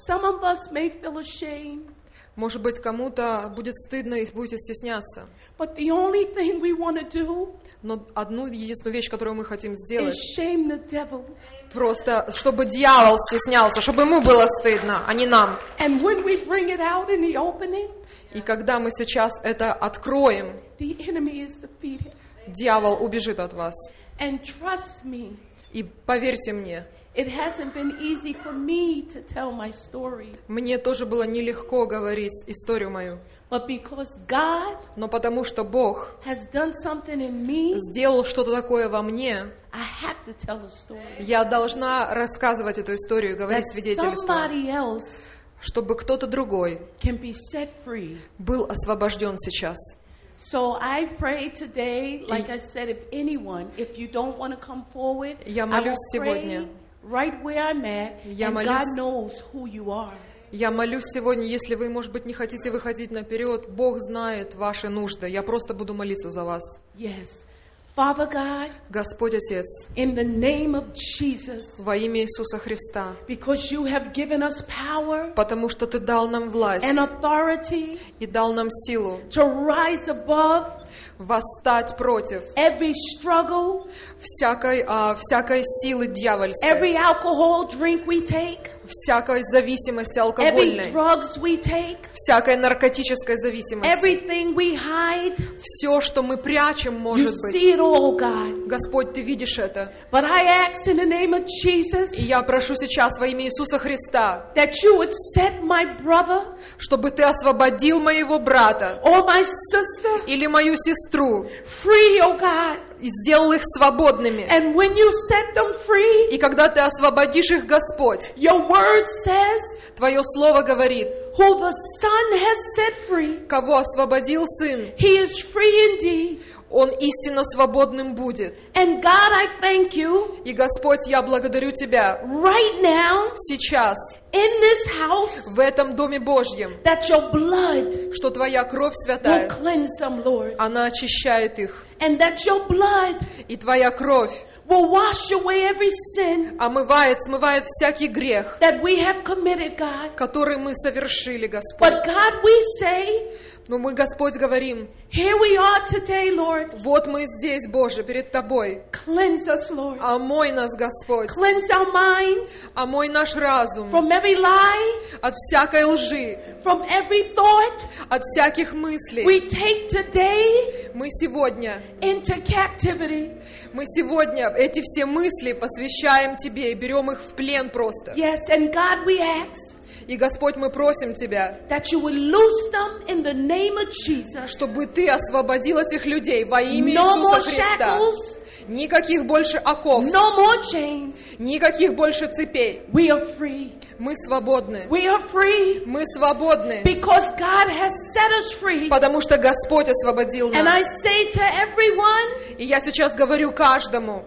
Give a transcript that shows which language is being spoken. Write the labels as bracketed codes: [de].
[en] Some of us may feel ashamed. [ru] Может быть, кому-то будет стыдно и будете стесняться. [en] But the only thing we want to do. [ru] Но одну единственную вещь, которую мы хотим сделать. [en] Is shame the devil. [ru] Просто, чтобы дьявол стеснялся, чтобы ему было стыдно, а не нам. [en] And when we bring it out in the opening. [ru] И когда мы сейчас это откроем. [en] The enemy is defeated. [ru] Дьявол убежит от вас. [en] And trust me, [ru] и поверьте мне, [en] it hasn't been easy for me to tell my story. [ru] Мне тоже было нелегко говорить историю мою. [en] But because God [ru] Но потому что Бог [en] has done something in me, [ru] сделал что-то такое во мне, [en] I have to tell a story. [ru] Я должна рассказывать эту историю, говорить свидетельство. Чтобы кто-то другой [en] can be set free. [ru] Был освобожден сейчас. [en] So I pray today, like I said, if anyone, if you don't want to come forward, [ru] я молюсь сегодня. [en] Right where I'm at, and God knows who you are. [ru] Я молюсь сегодня, если вы, может быть, не хотите выходить наперед, Бог знает ваши нужды. Я просто буду молиться за вас. [en] Yes. Father God, [ru] Господь Отец, [en] in the name of Jesus, [ru] во имя Иисуса Христа, [en] because you have given us power, [ru] потому что Ты дал нам власть, [en] and authority, [ru] и дал нам силу, [en] to rise above, [ru] восстать против, [en] every struggle, [ru] всякой силы дьявольской, [en] every alcohol drink we take, [ru] всякой зависимости алкогольной, [en] every drugs we take, [ru] всякой наркотической зависимости, [en] everything we hide, [ru] все, что мы прячем, может [en] you [ru] быть, [en] see it all, God. [ru] Господь, Ты видишь это. [en] But I ask in the name of Jesus, [ru] и я прошу сейчас во имя Иисуса Христа, [en] that you would set my brother, [ru] чтобы Ты освободил моего брата [en] or my sister, [ru] или мою сестру, [en] free, oh God. [ru] И сделал их свободными. [en] And when you set them free, [ru] и когда Ты освободишь их, Господь, [en] your word says, [ru] Твое Слово говорит, [en] who the Son has set free, [ru] кого освободил Сын, [en] he is free indeed. [ru] Он истинно свободным будет. [en] And God, I thank you, [ru] и Господь, я благодарю Тебя [en] right now, [ru] сейчас, [en] in this house, [ru] в этом Доме Божьем, [en] that your blood, [ru] что Твоя кровь святая, [en] will cleanse them, Lord. [ru] Она очищает их. [en] And that your blood, [ru] и Твоя кровь, [en] will wash away every sin, [ru] омывает, смывает всякий грех, [en] that we have committed, God. [ru] Который мы совершили, Господь. [en] But God, we say, [ru] но мы, Господь, говорим, [en] here we are today, Lord. [ru] Вот мы здесь, Боже, перед Тобой. [en] Cleanse us, Lord. [ru] Омой нас, Господь. [en] Cleanse our minds. [ru] Омой наш разум. [en] From every lie. [ru] От всякой лжи. [en] From every thought. [ru] От всяких мыслей. [en] We take today. [ru] Мы сегодня. [en] Into captivity. [ru] Мы сегодня эти все мысли посвящаем Тебе и берем их в плен просто. [en] Yes, and God, we ask. [ru] И, Господь, мы просим Тебя, [en] that you will loose them in the name of Jesus. [ru] Чтобы Ты освободил этих людей во имя Иисуса [en] no more shackles, [ru] Христа. Никаких больше оков. [en] No more chains. [ru] Никаких больше цепей. [en] We are free. [ru] Мы свободны. [en] We are free. [ru] Мы свободны. [en] Because God has set us free. [ru] Потому что Господь освободил нас. [en] And I say to everyone, [ru] и я сейчас говорю каждому,